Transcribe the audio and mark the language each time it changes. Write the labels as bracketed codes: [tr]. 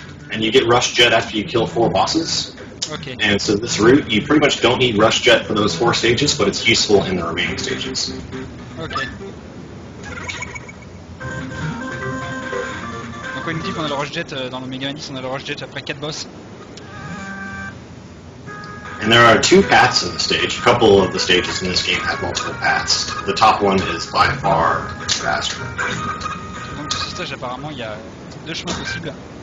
[en] And you get Rush Jet after you kill 4 bosses. Okay. And so this route, you pretty much don't need Rush Jet for those 4 stages, but it's useful in the remaining stages. Okay. [fr] Donc on nous dit qu'on a le Rush Jet dans le Mega Man 10, on a le Rush Jet après 4 boss. [en] And there are 2 paths in the stage. A couple of the stages in this game have multiple paths. The top one is by far faster. [fr] Donc sur ce stage, apparemment, il y a 2 chemins possibles.